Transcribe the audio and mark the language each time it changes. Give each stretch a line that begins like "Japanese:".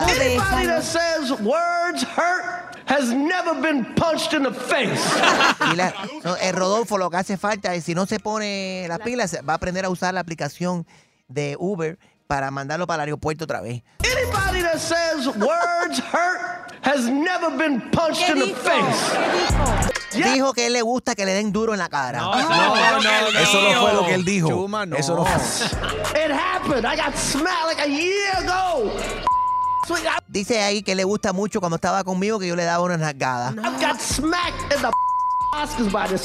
English: Anybody that says words hurt has never been punched in the face.
Spanish: Rodolfo, lo que hace falta es, si no se pone las pilas, va a aprender a usar la aplicación de Uber para mandarlo para el aeropuerto otra vez.
English: Anybody that says words hurt has never been punched in the face.
Spanish: Dijo que él le gusta que le den duro en la cara. Eso no fue lo que él dijo. Chuma, no. Eso no fue.
English: It happened. I got smacked like a year ago.
Spanish: Dice ahí que le gusta mucho cuando estaba conmigo que yo le daba una nalgada. No.
English: I got smacked in the Oscars by this.